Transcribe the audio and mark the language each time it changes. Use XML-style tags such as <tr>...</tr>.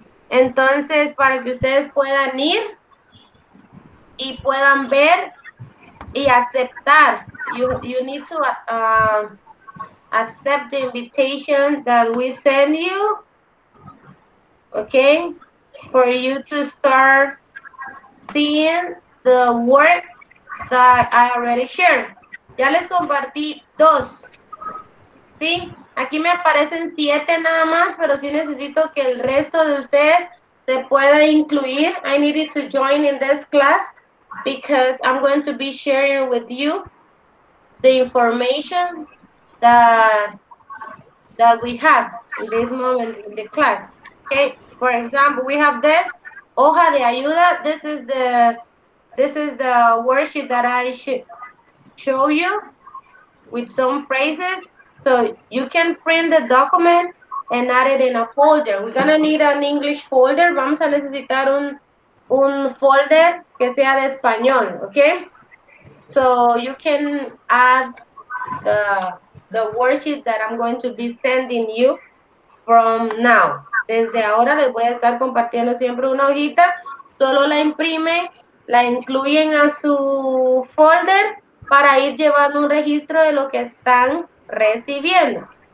<es>Entonces, para que ustedes puedan ir y puedan ver y aceptar.</es> <en>You need to accept the invitation that we send you. Okay, for you to start seeing the work that I already shared.</en> <es>Ya les compartí dos. Sí, aquí me aparecen 7 nada más, pero sí necesito que el resto de ustedes se pueda incluir.</es> <en>I needed to join in this class because I'm going to be sharing with you the information that we have in this moment in the class. Okay, for example, we have this</en> <es>hoja de ayuda.</es> <en>This is the worksheet that I should show you with some phrases. So you can print the document and add it in a folder. We're gonna need an English folder.</en> <es>Vamos a necesitar un folder que sea de español, okay?</es> <en>So you can add the worksheet that I'm going to be sending you from now.</en> <es>Desde ahora les voy a estar compartiendo siempre una hojita. Solo la imprime, la incluyen a su folder para ir llevando un registro de lo que están recibiendo.</es>